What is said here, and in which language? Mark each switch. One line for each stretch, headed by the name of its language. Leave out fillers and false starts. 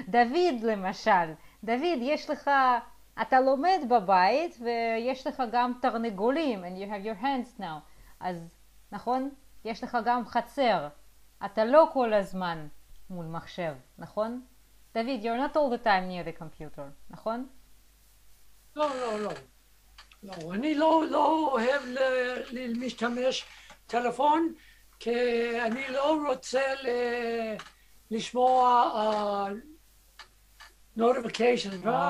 Hebrew: דוד, למשל, דוד, יש לך, אתה לומד בבית, ויש לך גם תרנגולים,
English: and you have your hands now,
Hebrew: אז נכון? יש לך גם חצר. אתה לא כל הזמן מול מחשב, נכון?
English: דוד, you're not all the time near the computer,
Hebrew: נכון? לא. אני לא אוהב להשתמש טלפון, כי אני לא רוצה לשמוע notification.